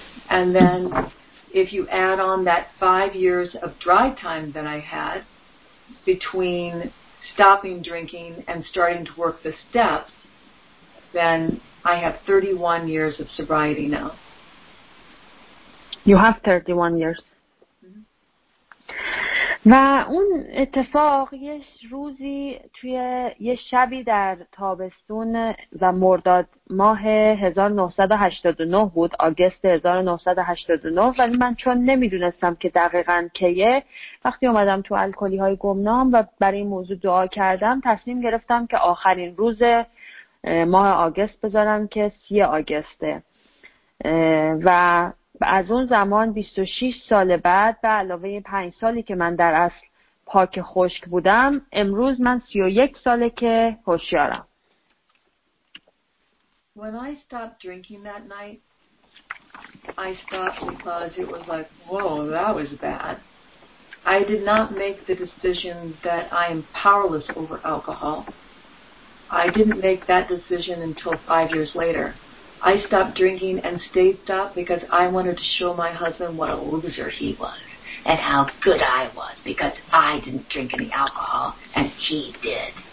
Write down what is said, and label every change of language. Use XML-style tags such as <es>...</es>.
<en>And then if you add on that 5 years of dry time that I had between stopping drinking and starting to work the steps, then I have 31 years of sobriety now. You have 31 years.</en> <fa>و اون اتفاق یه روزی توی یه شبی در تابستون و مرداد ماه 1989 بود، آگست 1989، ولی من چون نمیدونستم که دقیقاً کیه، وقتی اومدم تو الکلی‌های گمنام و برای این موضوع دعا کردم، تصمیم گرفتم که آخرین روز ماه آگست بذارم که 3 آگسته و از اون زمان 26 سال بعد و علاوه 5 سالی که من در اصل پاک خشک بودم، امروز من 31 ساله که هوشیارم.</fa> <en>When I stopped drinking that night, I stopped because it was like, whoa, that was bad. I did not make the decision that I am powerless over alcohol. I didn't make that decision until 5 years later. I stopped drinking and stayed stopped because I wanted to show my husband what a loser he was and how good I was because I didn't drink any alcohol and he did.</en>